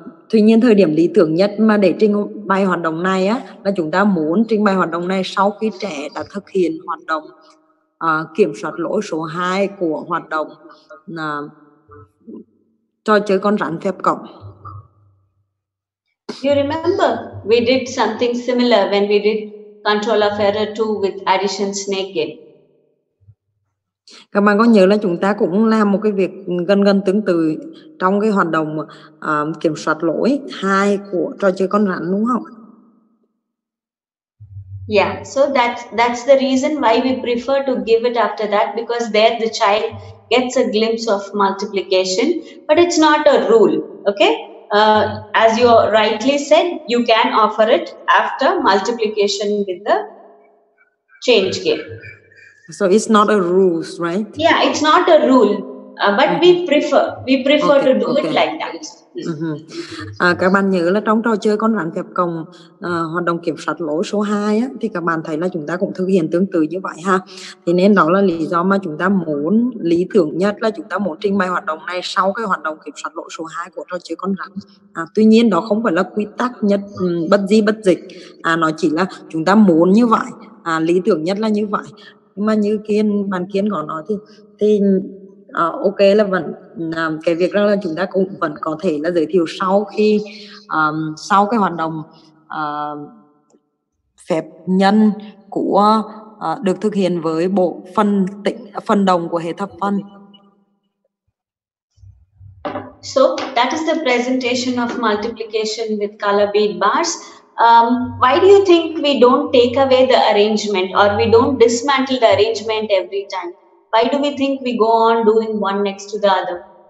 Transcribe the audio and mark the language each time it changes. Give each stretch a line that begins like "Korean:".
Vietnamese: Tuy nhiên thời điểm lý tưởng nhất mà để trình bày hoạt động này á là chúng ta muốn trình bày hoạt động này sau khi trẻ đã thực hiện hoạt động kiểm soát lỗi số 2 của hoạt động trò chơi con rắn phép cộng.
English: You remember we did something similar when we did control of error 2 with addition snake game.
Vietnamese: Các bạn có nhớ là chúng ta cũng làm một cái việc gần tương tự trong cái hoạt động kiểm soát lỗi 2 của trò chơi con rắn đúng không?
English: Yeah, so that's the reason why we prefer to give it after that, because there the child gets a glimpse of multiplication, but it's not a rule. Okay. As you rightly said, you can offer it after multiplication with the change game. So it's not a rule, right? Yeah, it's not a rule. But we prefer to do it like that.
Vietnamese: À, các bạn nhớ là trong trò chơi con rắn phép cộng hoạt động kiểm soát lỗ số 2 á, thì các bạn thấy là chúng ta cũng thực hiện tương tự như vậy ha. Thì nên đó là lý do mà chúng ta muốn, lý tưởng nhất là chúng ta muốn trình bày hoạt động này sau cái hoạt động kiểm soát lỗ số 2 của trò chơi con rắn. À, tuy nhiên đó không phải là quy tắc nhất bất di bất dịch, nó chỉ là chúng ta muốn như vậy, lý tưởng nhất là như vậy. Nhưng mà như bạn Kiên có nói thì ok là vẫn cái việc đó là chúng ta cũng vẫn có thể là giới thiệu sau khi sau cái hoạt động phép nhân của được thực hiện với bộ phân tĩnh, phân đồng của hệ thập phân.
English: So that is the presentation of multiplication with color bead bars. Why do you think we don't take away the arrangement or we don't dismantle the arrangement every time? Why do we think we go on doing one next to the other?